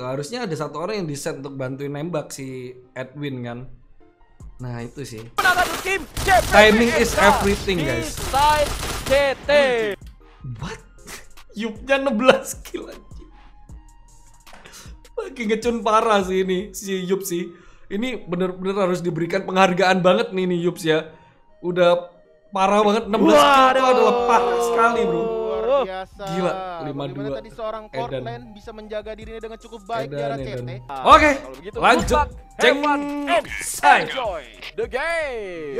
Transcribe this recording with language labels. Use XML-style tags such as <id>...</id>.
<id>Harusnya ada satu orang yang diset untuk bantuin nembak si Edwin kan. Nah itu sih.</id> <en>Timing is everything guys. Side CT.</en> <id>What? Yupnya 16 kill aja. Lagi ngecun parah sih ini si Yup sih. Ini benar-benar harus diberikan penghargaan banget nih ini Yups ya. Udah parah banget 16 kill. Itu adalah parah sekali bro. Biasa. Gila, 5-2. Bagaimana tadi seorang Courtline bisa menjaga dirinya dengan cukup baik Edan, di arah CT. Oke, lanjut.</id> <en>Cengman and enjoy the game.</en>